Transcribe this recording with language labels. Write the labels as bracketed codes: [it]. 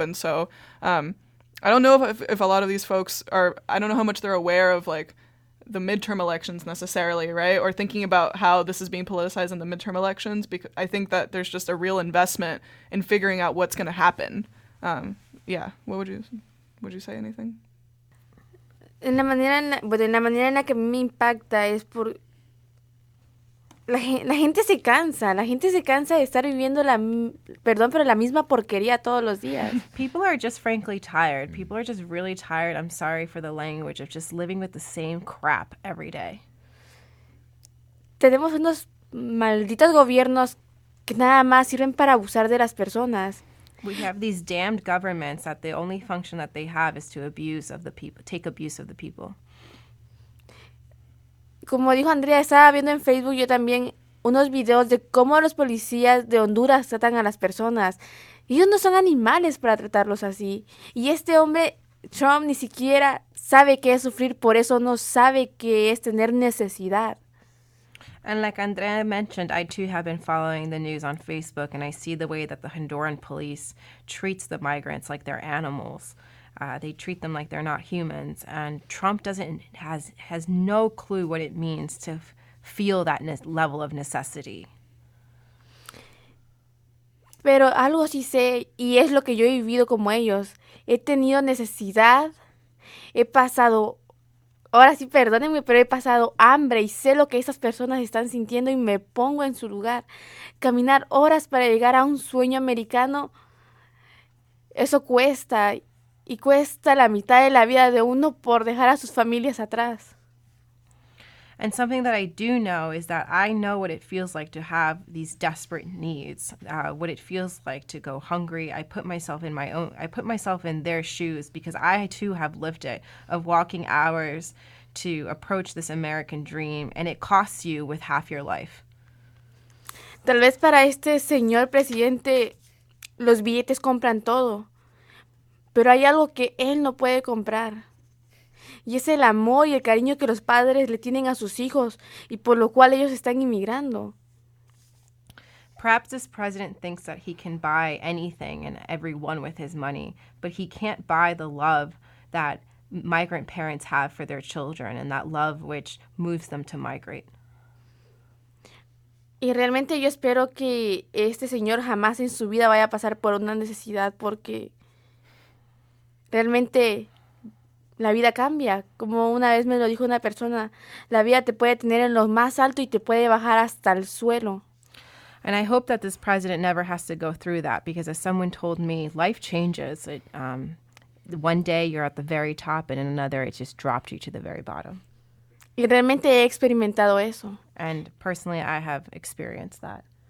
[en] And so, I don't know if a lot of these folks are, I don't know how much they're aware of, like, the midterm elections necessarily, right? Or thinking about how this is being politicized in the midterm elections, because I think that there's just a real investment in figuring out what's going to happen. Yeah. Would you say anything? [es] En la manera en la que me impacta es por... La gente se cansa. La gente se cansa de estar viviendo la misma porquería todos los días. [en] People are just frankly tired. People are just really tired. I'm sorry for the language of just living with the same crap every day. [es] tenemos unos malditos gobiernos que nada más sirven para abusar de las personas. [en] We have these damned governments that the only function that they have is to abuse of the people, take abuse of the people. [es] Como dijo Andrea, estaba viendo en Facebook yo también unos videos de cómo los policías de Honduras tratan a las personas. Ellos no son animales para tratarlos así. Y este hombre, Trump, ni siquiera sabe qué es sufrir, por eso no sabe qué es tener necesidad. [en] And like Andrea mentioned, I too have been following the news on Facebook, and I see the way that the Honduran police treats the migrants like they're animals. They treat them like they're not humans. And Trump has no clue what it means to feel that level of necessity. [es] Pero algo sí sé, y es lo que yo he vivido como ellos. He tenido necesidad, he pasado... Ahora sí, perdónenme, pero he pasado hambre y sé lo que esas personas están sintiendo y me pongo en su lugar. Caminar horas para llegar a un sueño americano, eso cuesta. Y cuesta la mitad de la vida de uno por dejar a sus familias atrás. [en] And something that I do know is that I know what it feels like to have these desperate needs, what it feels like to go hungry. I put myself in their shoes because I too have lived it, of walking hours to approach this American dream, and it costs you with half your life. [es] Tal vez para este señor presidente los billetes compran todo, pero hay algo que él no puede comprar. Y es el amor y el cariño que los padres le tienen a sus hijos y por lo cual ellos están inmigrando. [en] Perhaps this president thinks that he can buy anything and everyone with his money, but he can't buy the love that migrant parents have for their children and that love which moves them to migrate. [es] Y realmente yo espero que este señor jamás en su vida vaya a pasar por una necesidad porque realmente... La vida cambia. Como una vez me lo dijo una persona, la vida te puede tener en lo más alto y te puede bajar hasta el suelo. [en] And I hope that this president never has to go through that, because as someone told me, life changes. One day you're at the very top and in another it just dropped you to the very bottom. [es] Y realmente he experimentado eso. [en] And personally I have experienced that.